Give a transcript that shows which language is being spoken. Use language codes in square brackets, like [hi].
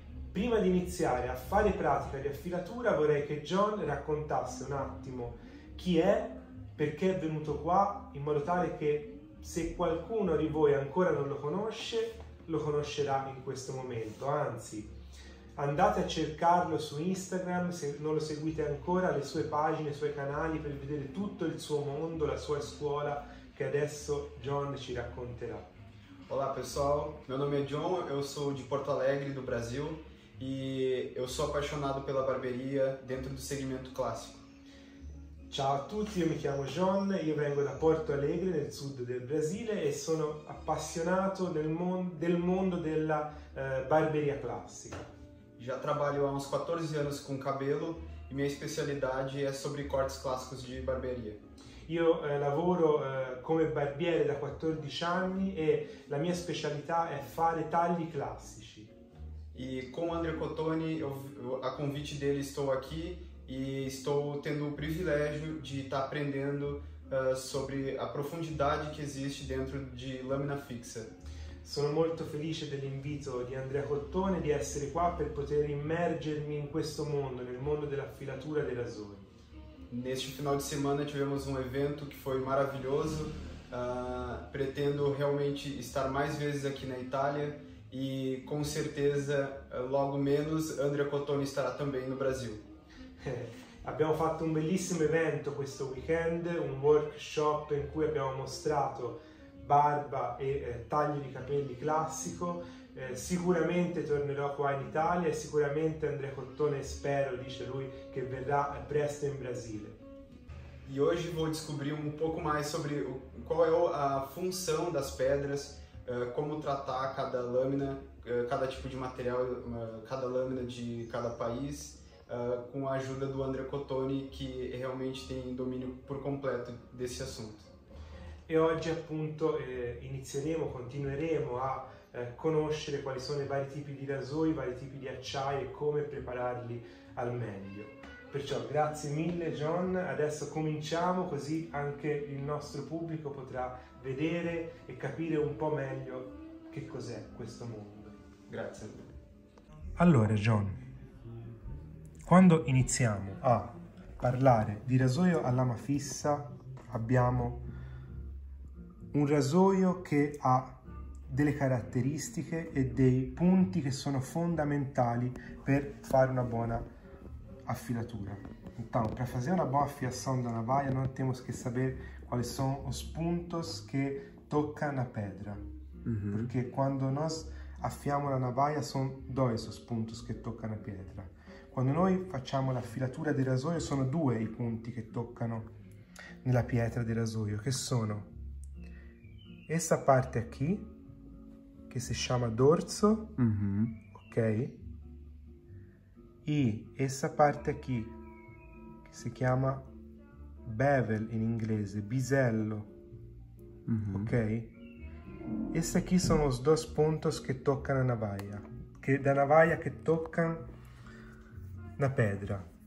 [it] Prima di iniziare a fare pratica di affilatura, vorrei che John raccontasse un attimo chi è, perché è venuto qua, in modo tale che se qualcuno di voi ancora non lo conosce, lo conoscerà in questo momento. Anzi, andate a cercarlo su Instagram, se non lo seguite ancora, le sue pagine, i suoi canali, per vedere tutto il suo mondo, la sua scuola, che adesso John ci racconterà. [pt] Olá pessoal, meu nome é John, eu sou de Porto Alegre, do Brasil, e eu sou apaixonado pela barbearia dentro do segmento clássico. [it] Ciao a tutti, io mi chiamo John, io vengo da Porto Alegre, nel sud del Brasile, e sono appassionato del mondo della barberia classica. [pt] Já trabalho há uns 14 anos com cabelo e minha especialidade é sobre cortes clássicos de barbearia. [it] Io lavoro come barbiere da 14 anni e la mia specialità è fare tagli classici. [pt] E com o André Cotone, a convite dele, estou aqui e estou tendo o privilégio de estar aprendendo sobre a profundidade que existe dentro de lâmina fixa. [it] Sono molto felice dell'invito di Andrea Cottone di essere qua per poter immergermi in questo mondo, nel mondo dell'affilatura dei rasoi. [pt] Neste final de semana tivemos um evento que foi maravilhoso. Pretendo realmente estar mais vezes aqui na Itália. E com certeza, logo menos, Andrea Cotone estará também no Brasil. [it] Abbiamo fatto un bellissimo evento questo weekend, un workshop in cui abbiamo mostrato barba e taglio di capelli classico. Sicuramente tornerò qua in Italia e sicuramente Andrea Cottone, spero, dice lui, che verrà presto in Brasile. [pt] E hoje vou descobrir um pouco mais sobre qual é a função das pedras. Como tratar cada lâmina, cada tipo de material, cada lâmina de cada país, com a ajuda do André Cotone, que realmente tem domínio por completo desse assunto. [it] E oggi appunto inizieremo, continueremo a conoscere quali sono i vari tipi di rasoi, i vari tipi di acciai e come prepararli al meglio. Perciò grazie mille John, adesso cominciamo così anche il nostro pubblico potrà vedere e capire un po' meglio che cos'è questo mondo. Grazie. Allora John, quando iniziamo a parlare di rasoio a lama fissa, abbiamo un rasoio che ha delle caratteristiche e dei punti che sono fondamentali per fare una buona affilatura. [pt] Então, para fazer uma boa afiação da navalha, nós temos que saber quais são os pontos que tocam na pedra. Porque quando nós afiamos a navalha, são dois os pontos que tocam na pedra. Quando nós fazemos a afilatura de rasoio, são dois os pontos que tocam na pedra de rasoio, que são essa parte aqui, que se chama dorso, ok? E essa parte aqui, [it] che si chiama bevel in inglese, bisello, ok? Questi qui sono i due punti che toccano la navaia, che da navaia che toccano la pedra.